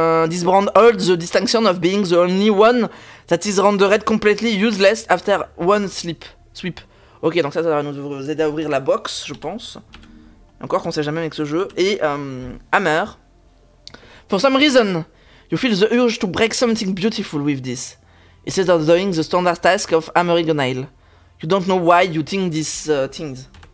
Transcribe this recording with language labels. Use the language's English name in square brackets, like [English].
[English] This brand holds the distinction of being the only one that is rendered completely useless after one sweep. [French] Ok, donc ça, ça va nous aider à ouvrir la box, je pense. Encore qu'on sait jamais avec ce jeu. Et hammer. [English] For some reason, you feel the urge to break something beautiful with this. Instead of doing the standard task of hammering a nail. You don't know why you think these things.